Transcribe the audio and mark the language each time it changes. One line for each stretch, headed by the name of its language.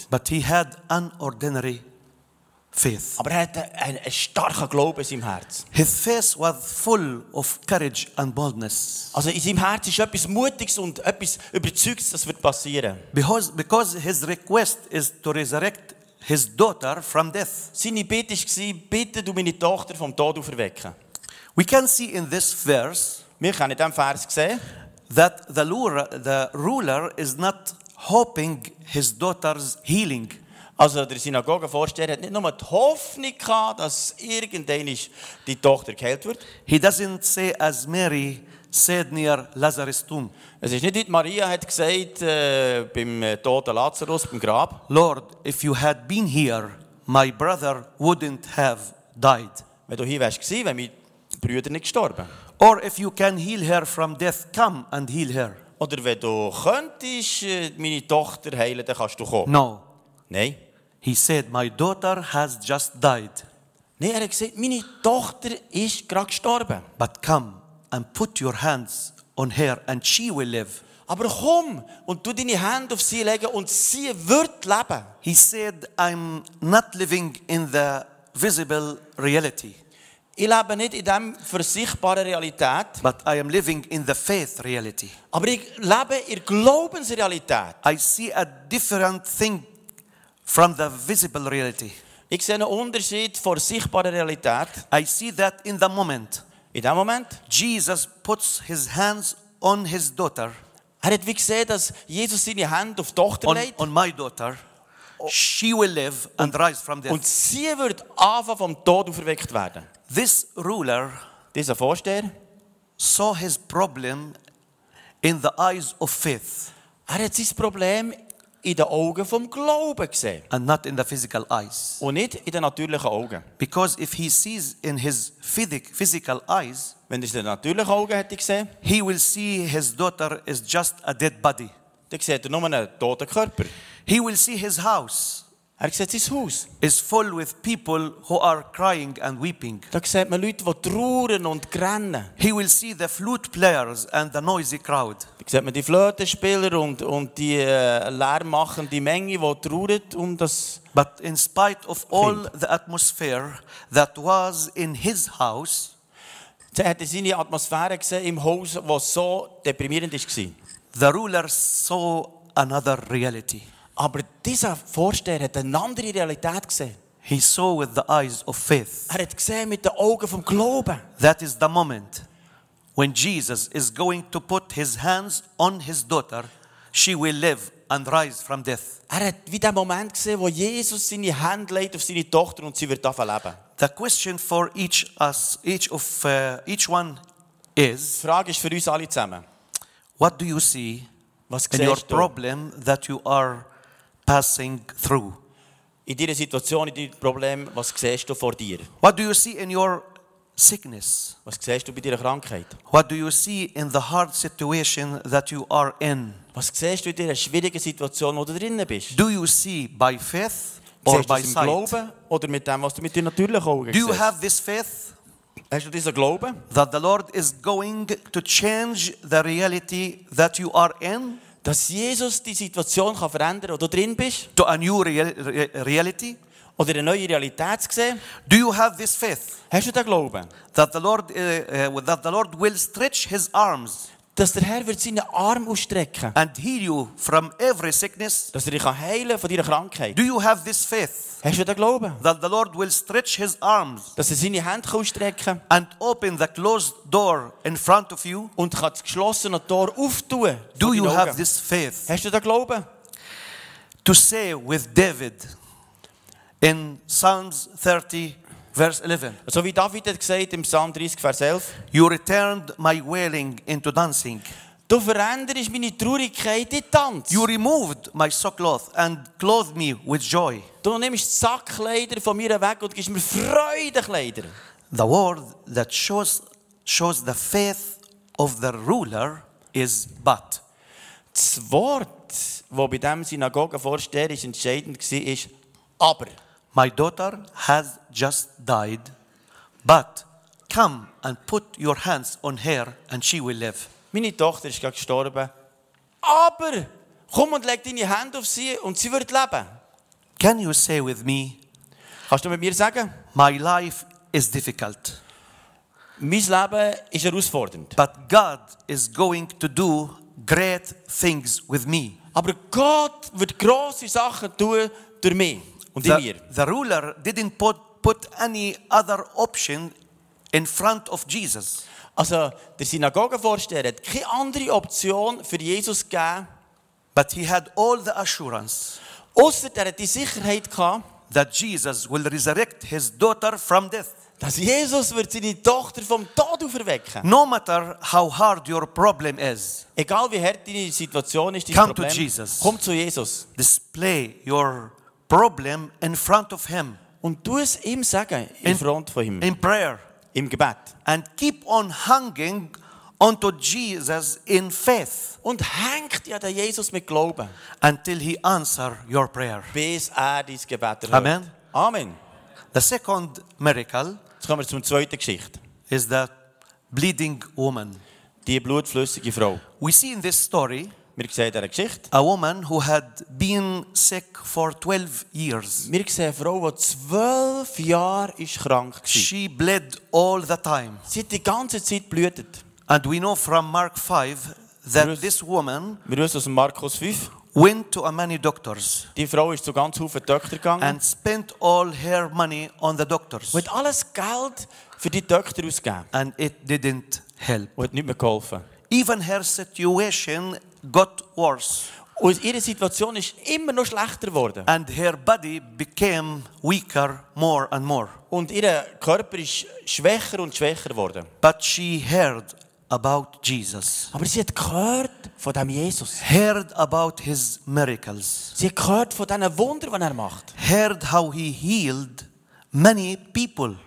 English: But he had an ordinary faith.
German: Aber er hatte einen starken Glauben in seinem Herz.
English: His face was full of courage and boldness.
German: Also in seinem Herz ist etwas Mutiges und etwas Überzeugtes, das wird passieren.
English: Because his request is to resurrect his daughter from death.
German: Seine Bitte war, bitte du meine Tochter vom Tod auferwecken.
English: We can see in this verse,
German: wir können in diesem Vers sehen,
English: that the ruler is not hoping his daughter's healing.
German: Also der Synagogenvorsteher hat nicht nur die Hoffnung gehabt, dass irgendwann die Tochter geheilt wird.
English: He doesn't say as Mary said near Lazarus' tomb.
German: Es ist nicht wie Maria hat gesagt beim toten Lazarus, beim Grab.
English: Lord, if you had been here, my brother wouldn't have died.
German: Wenn du hier wärst gewesen, wären meine Brüder nicht gestorben.
English: Or if you can heal her from death, come and heal her.
German: Oder wenn du könntest meine Tochter heilen, dann kannst du kommen.
English: No.
German: Nein.
English: He said, my daughter has just died.
German: Nein, er hat gesagt, meine Tochter ist gerade gestorben.
English: But come and put your hands on her and she will live.
German: Aber komm und tu deine Hand auf sie legen und sie wird leben.
English: He said, I'm not living in the visible reality.
German: Ich lebe nicht in dem versichtbaren Realität.
English: But I am living in the faith reality.
German: Aber ich lebe in Glaubensrealität.
English: I see a different thing from the visible reality.
German: Ich sehe einen Unterschied vor sichtbarer Realität.
English: I see that in the moment.
German: In dem Moment.
English: Jesus puts his hands on his daughter.
German: Er hat wie gesehen, dass Jesus seine Hand auf die Tochter legt.
English: On my daughter. She will live and rise from death.
German: Und sie wird anfangen vom Tod auferweckt werden.
English: This ruler,
German: dieser Vorsteher,
English: saw his problem in the eyes of faith.
German: Er hat sein Problem in den Augen vom Glauben gesehen.
English: And not in the physical eyes.
German: Und nicht in den natürlichen Augen.
English: Because if he sees in his physical eyes,
German: wenn er es in den natürlichen Augen hätte gesehen,
English: he will see his daughter is just a dead body.
German: Dann sieht er nur einen toten Körper.
English: He will see his house.
German: Er sieht sein Haus.
English: Is full with people who are crying and weeping.
German: Da sieht man Leute, die trauern und grännen.
English: He will see the flute players and the noisy crowd.
German: Da sieht man die Flötenspieler und die lärmmachende die Menge, die trauert um das.
English: But in spite of all the atmosphere that was in his house,
German: er hat seine Atmosphäre gesehen im Haus, was so deprimierend ist gewesen.
English: The ruler saw another reality.
German: Aber dieser Vorsteher hat eine andere Realität gesehen.
English: He saw with the eyes of faith.
German: Er hat gesehen mit den Augen vom Glauben.
English: That is the moment when Jesus is going to put his hands on his daughter, she will live and rise from death.
German: Er hat wie den Moment gesehen, wo Jesus seine Hände legt auf seine Tochter und sie wird davon leben.
English: The question for each one is.
German: Die Frage ist für uns alle zusammen.
English: What do you see?
German: Was
English: in your
German: du?
English: Problem that you are passing through.
German: In deiner Situation, in deinem Problem, was siehst du vor dir?
English: What do you see in your sickness?
German: Was siehst du bei deiner Krankheit?
English: What do you see in the hard situation that you are in?
German: Was siehst du in deiner schwierigen Situation, wo du drinnen bist?
English: Do you see by faith or by sight?
German: Siehst du es im Glauben oder mit dem, was du mit deinen natürlichen Augen siehst?
English: Do you have this faith?
German: Hast du diesen Glauben?
English: That the Lord is going to change the reality that you are in?
German: Dass Jesus die Situation kann verändern, wo du drin bist?
English: To a new reality?
German: Oder eine neue Realität zu sehen?
English: Do you have this faith?
German: Hast du den Glauben?
English: That the Lord will stretch his arms.
German: Dass der Herr wird seine Arm ausstrecken.
English: And heal you from every sickness.
German: Dass er dich heilen von deiner Krankheit.
English: Do you have this faith?
German: Hast du den Glauben?
English: That the Lord will stretch his arms.
German: Dass er seine Hände ausstrecken.
English: And open the closed door in front of you.
German: Und kann das geschlossene Tor auftun.
English: Do you have this faith?
German: Hast du den Glauben?
English: To say with David in Psalms 30, Verse 11.
German: So wie David hat gesagt im Psalm 30, Vers 11.
English: You returned my wailing into dancing.
German: Du veränderst meine Traurigkeit in Tanz.
English: You removed my sackcloth and clothed me with joy.
German: Du nimmst Sackkleider von mir weg und gibst mir Freudekleider.
English: The word that shows the faith of the ruler is but.
German: Das Wort, das bei dem Synagogenvorsteher ist entscheidend war, ist aber.
English: My daughter has just died, but come and put your hands on her and she will live.
German: Meine Tochter ist gerade gestorben. Aber komm und leg deine Hand auf sie und sie wird leben.
English: Can you say with me?
German: Kannst du mit mir sagen?
English: My life is difficult.
German: Mein Leben ist herausfordernd.
English: But God is going to do great things with me.
German: Aber Gott wird grosse Sachen tun durch mich.
English: The ruler didn't put any other option in front of Jesus.
German: Also, der Synagogenvorsteher hat keine andere Option für Jesus gegeben.
English: But he had all the assurance.
German: Außer er hat die Sicherheit gehabt,
English: that Jesus will resurrect his daughter from death.
German: Dass Jesus wird seine Tochter vom Tod auferwecken.
English: No matter how hard your problem is.
German: Egal wie hart deine Situation ist,
English: come
German: Problem,
English: to Jesus.
German: Komm zu Jesus.
English: Display your problem in front of him.
German: Und tu es ihm sagen,
English: in front
German: von ihm.
English: In prayer.
German: Im Gebet.
English: And keep on hanging onto Jesus in faith.
German: Und hängt ja der Jesus mit Glauben.
English: Until he answer your prayer.
German: Bis er dein Gebet erhört. Amen. Amen.
English: The second miracle.
German: Jetzt kommen wir zur zweiten Geschichte.
English: Is the bleeding woman.
German: Die blutflüssige Frau.
English: We see in this story.
German: Wir sehen in dieser Geschichte.
English: A woman who had been sick for 12 years.
German: Wir sehen eine Frau, die 12 Jahre krank war.
English: She bled all the time.
German: Sie hat die ganze Zeit blutet.
English: And we know from Mark 5 that this woman
German: aus Markus 5
English: went to a many doctors.
German: Die Frau ist zu ganz vielen Doktoren gegangen.
English: And spent all her money on the doctors.
German: Und hat alles Geld für die Doktoren ausgegeben.
English: And it didn't help.
German: Und hat nicht mehr geholfen.
English: Even her situation got worse.
German: Und ihre Situation ist immer noch schlechter geworden.
English: And her body became weaker more and more.
German: Und ihr Körper ist schwächer und schwächer geworden.
English: But she heard about Jesus.
German: Aber sie hat gehört von dem Jesus.
English: Heard about his miracles.
German: Sie hat gehört von diesen Wundern, die er macht.
English: Heard how he healed many people.